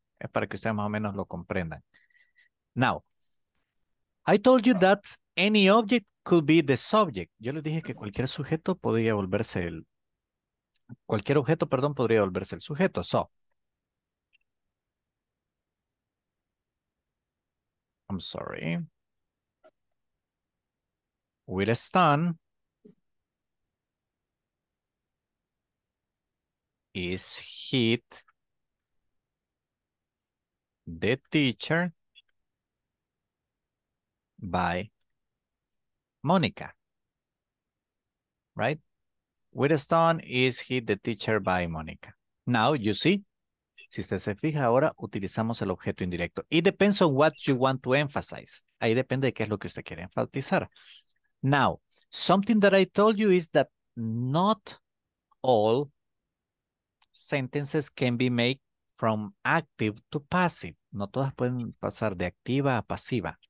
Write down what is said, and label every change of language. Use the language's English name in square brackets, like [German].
[Spanish] Es para que ustedes más o menos lo comprendan. [English] Now, I told you that any object could be the subject. [Spanish] Yo les dije que cualquier sujeto podría volverse el... Cualquier objeto, perdón, podría volverse el sujeto. [English] So, I'm sorry. With a stun is hit the teacher by Monica. Right? With a stun is hit the teacher by Monica. Now you see, [Spanish] si usted se fija ahora, utilizamos el objeto indirecto. [English] It depends on what you want to emphasize. [Spanish] Ahí depende de qué es lo que usted quiere enfatizar. [English] Now, something that I told you is that not all sentences can be made from active to passive. [Spanish] No todas pueden pasar de activa a pasiva.